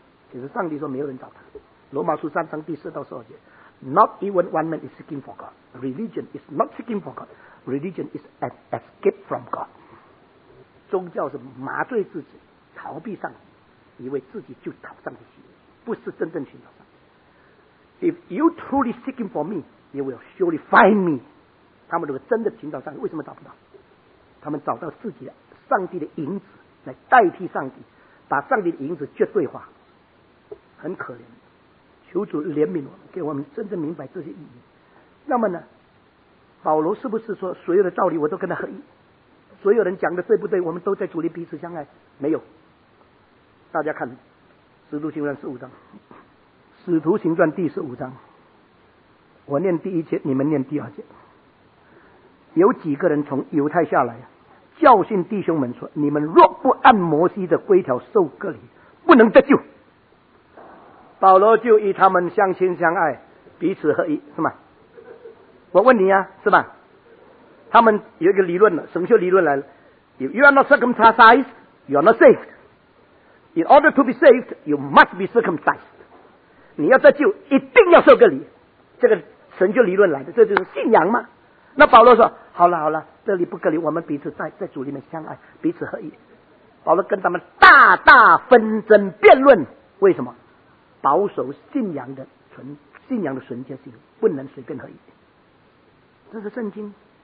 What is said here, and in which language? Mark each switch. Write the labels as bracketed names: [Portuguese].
[Chinese] 其实上帝说没有人找他，罗马书三章第四到十二节， [English] Not even one man is seeking for God. Religion is not seeking for God. Religion is an escape from God. [Chinese] 宗教是麻醉自己，逃避上帝，以为自己就讨上帝喜悦，不是真正寻找上帝。 [English] If you truly seeking for me, you will surely find me. [Chinese] 他们如果真的寻找上帝，为什么找不到？他们找到自己的上帝的影子来代替上帝，把上帝的影子绝对化。很可怜，求主怜悯我们，给我们真正明白这些意义。那么呢，保罗是不是说所有的道理我都跟他合一，所有人讲的对不对我们都在主里彼此相爱？没有。大家看使徒行传十五章，使徒行传第十五章，我念第一节，你们念第二节。有几个人从犹太下来教训弟兄们说，你们若不按摩西的规条受割礼，不能得救。保罗就与他们相亲相爱，彼此合一，是吗？我问你啊，是吧？他们有一个理论了，神学理论来了。 [English] If you are not circumcised, you are not saved. In order to be saved, you must be circumcised. [Chinese] 你要得救，一定要受割礼。这个神学理论来的，这就是信仰嘛。那保罗说：好了好了，这里不割礼，我们彼此在主里面相爱，彼此合一。保罗跟他们大大纷争辩论，为什么？保守信仰的纯洁性不能随便合一，这是圣经。